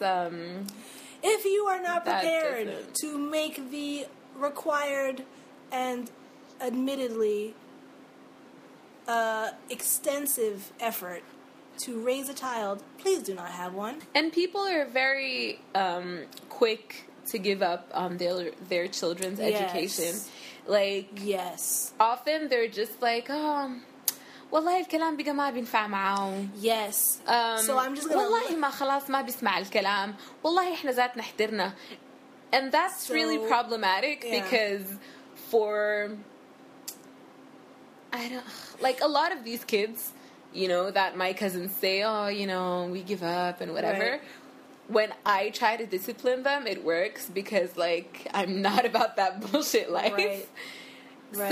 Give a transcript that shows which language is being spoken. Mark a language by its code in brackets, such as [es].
[en] if you are not prepared to make the required and admittedly extensive effort to raise a child, please do not have one. And people are very quick to give up on their children's education. Like, yes. Often they're just like, oh, wallahi [ar] الكلام بقى ما بينفع معاهم. [en] Yes. So I'm just gonna [ar] wallahi ما خلاص ما بيسمع الكلام. Wallahi احنا ذاتنا احترنا. [en] And that's so, really problematic because for I don't like a lot of these kids, you know, that my cousins say, oh, you know, we give up and whatever. Right. When I try to discipline them, it works because like I'm not about that bullshit life. Right.